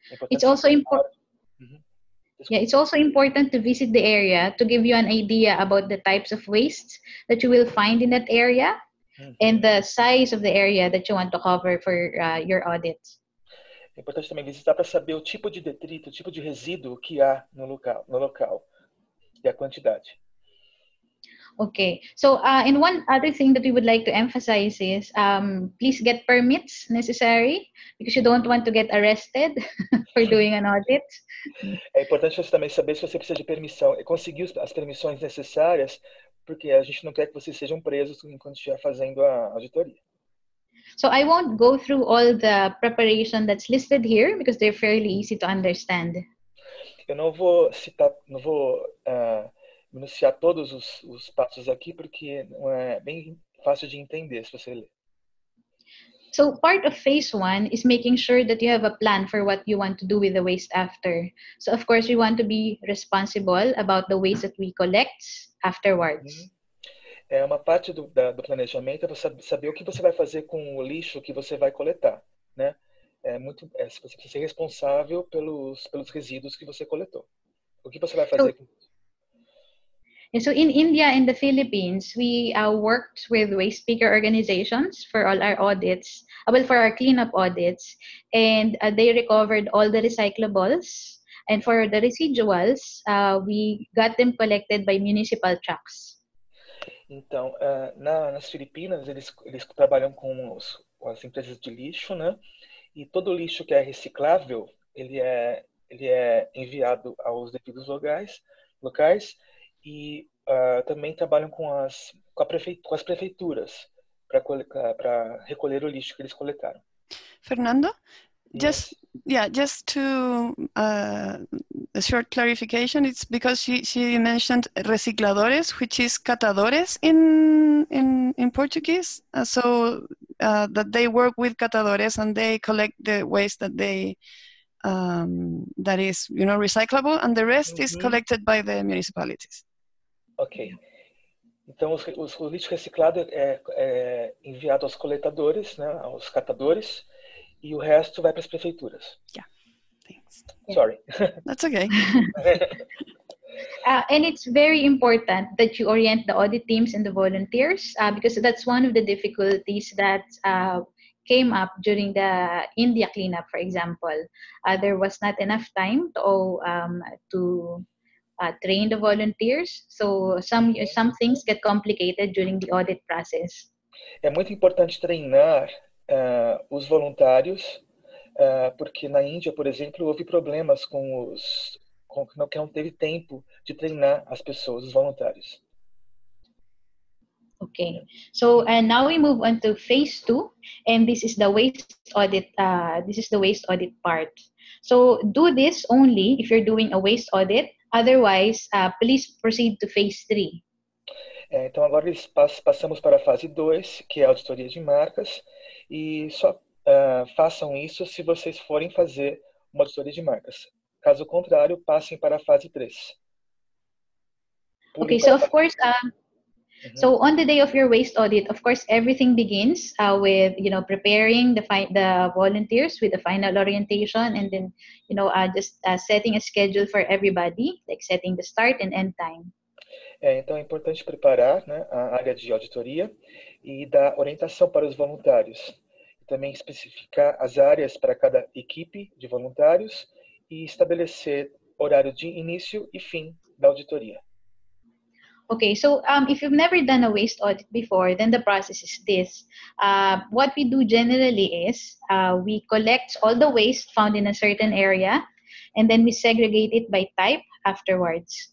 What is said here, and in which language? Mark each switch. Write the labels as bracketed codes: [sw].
[en] It's also important to visit the area to give you an idea about the types of wastes that you will find in that area and the size of the area that you want to cover for your audit. [pt] É importante também visitar para saber o tipo de detrito, o tipo de resíduo que há no local e a quantidade. [en] Okay, so and one other thing that we would like to emphasize is please get permits necessary because you don't want to get arrested for doing an audit. [pt] É importante você também saber se você precisa de permissão e conseguir as permissões necessárias porque a gente não quer que vocês sejam presos enquanto estiver fazendo a auditoria. [en] So I won't go through all the preparation that's listed here because they're fairly easy to understand. [pt] Eu não vou citar, não vou iniciar todos os passos aqui porque não é bem fácil de entender se você ler. [en] So part of phase one is making sure that you have a plan for what you want to do with the waste after. So of course we want to be responsible about the waste that we collect afterwards. Uhum. [pt] É uma parte do planejamento é você saber o que você vai fazer com o lixo que você vai coletar, né? Você precisa ser responsável pelos resíduos que você coletou. O que você vai fazer com [en] So in India and the Philippines, we worked with waste picker organizations for all our audits, well, for our cleanup audits, and they recovered all the recyclables. And for the residuals, we got them collected by municipal trucks. [pt] Então, nas Filipinas, eles trabalham com as empresas de lixo, né? E todo o lixo que é reciclável, ele é enviado aos devidos locais. E também trabalham com as prefeituras para recolher o lixo que eles coletaram. [en] Fernando, just to a short clarification, it's because she mentioned recicladores, which is catadores in Portuguese, so that they work with catadores and they collect the waste that they that is recyclable, and the rest mm-hmm. is collected by the municipalities. Ok. [pt] Então, o lixo reciclado é enviado aos coletadores, né, aos catadores, e o resto vai para as prefeituras. [en] Yeah, thanks. Sorry. That's okay. And it's very important that you orient the audit teams and the volunteers, because that's one of the difficulties that came up during the India cleanup, for example. There was not enough time to train the volunteers, so some things get complicated during the audit process. [pt] É muito importante treinar os voluntários porque na Índia, por exemplo, houve problemas com os que não teve tempo de treinar as pessoas, os voluntários. [en] Okay, so and now we move on to phase two, and this is the waste audit. This is the waste audit part. So do this only if you're doing a waste audit. Otherwise, please proceed to phase three. [pt] É, então agora passamos para a fase 2, que é a auditoria de marcas, e só façam isso se vocês forem fazer uma auditoria de marcas. Caso contrário, passem para a fase 3. [en] Okay, so of course. So on the day of your waste audit, of course, everything begins with, you know, preparing the volunteers with the final orientation and then, you know, setting a schedule for everybody, like setting the start and end time. [pt] É, então é importante preparar, né, a área de auditoria e dar orientação para os voluntários. Também especificar as áreas para cada equipe de voluntários e estabelecer horário de início e fim da auditoria. [en] Okay, so if you've never done a waste audit before, then the process is this. What we do generally is we collect all the waste found in a certain area and then we segregate it by type afterwards.